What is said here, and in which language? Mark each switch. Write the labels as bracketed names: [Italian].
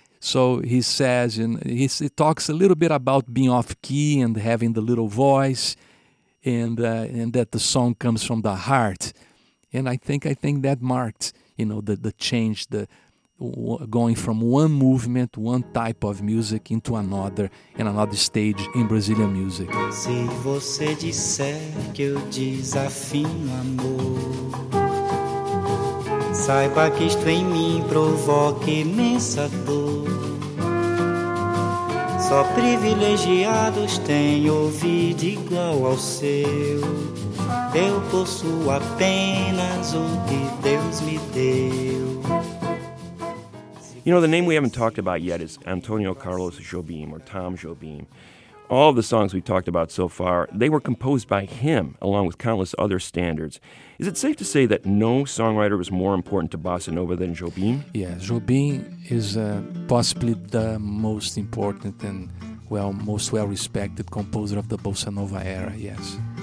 [English] So he says, and he talks a little bit about being off-key and having the little voice, and that the song comes from the heart. And I think that marked, you know, the change, the going from one movement, one type of music, into another, in another stage in Brazilian music. [Portuguese] Se você disser que eu desafino, amor, saiba que isto em mim provoca imensa dor. Só privilegiados têm ouvido igual ao seu. Eu possuo apenas o que Deus me deu. [English] You know, the name we haven't talked about yet is Antonio Carlos Jobim, or Tom Jobim. All the songs we've talked about so far, they were composed by him, along with countless other standards. Is it safe to say that no songwriter was more important to bossa nova than Jobim? Yeah, Jobim is possibly the most important and, well, most well-respected composer of the bossa nova era, yes.